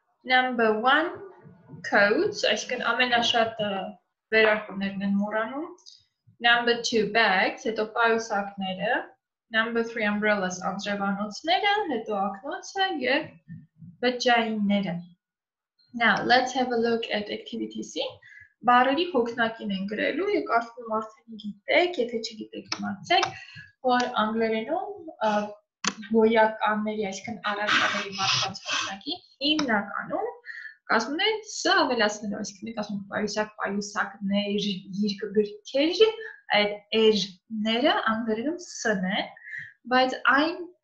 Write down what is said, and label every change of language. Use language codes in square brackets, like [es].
[en] Number 1 coats, [hy] այսինքն ամենաշատը վերարկուներն են մոռանում. [en] Number 2 bags, [hy] հետո փայուսակները. [en] Number 3 umbrellas, [hy] անձրևանոցները, հետո ակնոցը եւ բջայինները. [en] Now, let's have a look at activity C. [hy] Բառերի հոգնակին են գրելու, եւ կարծում եմ արդեն գիտեք, եթե չգիտեք, իմացեք, որ անգլերենում գոյականների, այսինքն առարկաների մարդկանց հոգնակի հիմնականում կազմում են սը ավելացնելով, այսինքն մենք ասում ենք պայուսակ, պայուսակներ, երկգրքեր, այդ էրները անգլերենում սն է, բայց այն